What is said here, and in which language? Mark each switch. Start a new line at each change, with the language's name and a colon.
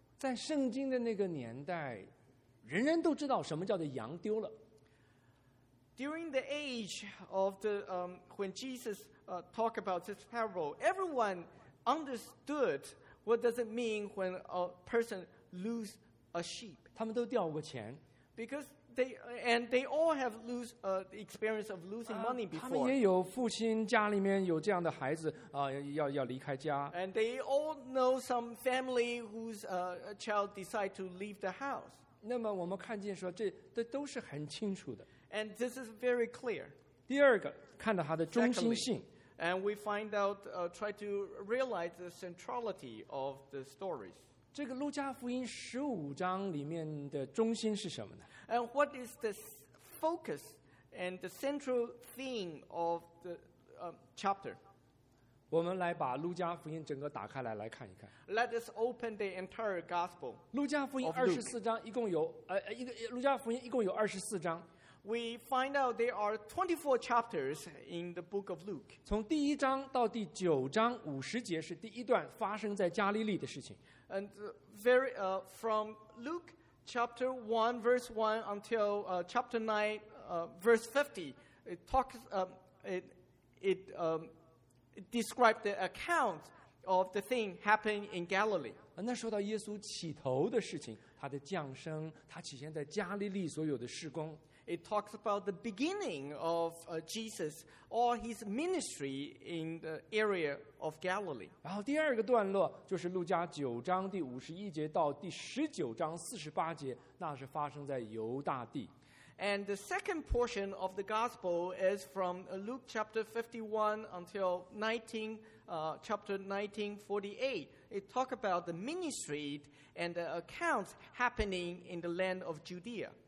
Chinese: 在圣经的那个年代人人都知道什么叫做羊丢了。
English: During the age of the when Jesus talked about this parable, everyone understood what does it mean when a person lose a sheep.
Chinese: 他们都掉过钱。
English: Because they all have lose experience of losing money before.
Chinese: 他们也有父亲家里面有这样的孩子要离开家。
English: And they all know some family whose child decide to leave the house.
Chinese: 那么我们看见说这都是很清楚的。
English: And this is very clear.
Chinese: 第二个看到它的中心性。
English: Secondly, and we find out, try to realize the centrality of the stories.
Chinese: 这个路加福音十五章里面的中心是什么呢？
English: And what is the focus and the central theme of the chapter.
Chinese: 我们来把路加福音整个打开来来看一看。
English: Let us open the entire gospel.
Chinese: 路加福音二十四章一共有路加福音一共有二十四章。
English: We find out there are 24 chapters in the book of Luke.
Chinese: 从第一章到第九章五十节是第一段发生在加利利的事情。
English: And very from Luke chapter 1 verse 1 until chapter 9 verse 50, it describes the account of the thing happening in Galilee.
Chinese: 那说到耶稣起头的事情，他的降生，他起先在加利利所有的事工。
English: It talks about the beginning of Jesus or his ministry in the area of Galilee.
Chinese: 然后第二个段落就是路加九章第五十一节到第十九章四十八节，那是发生在犹大地。
English: And the second portion of the gospel is from Luke chapter 51 until 19, chapter 1948. It talks about the ministry and the accounts happening in the land of Judea.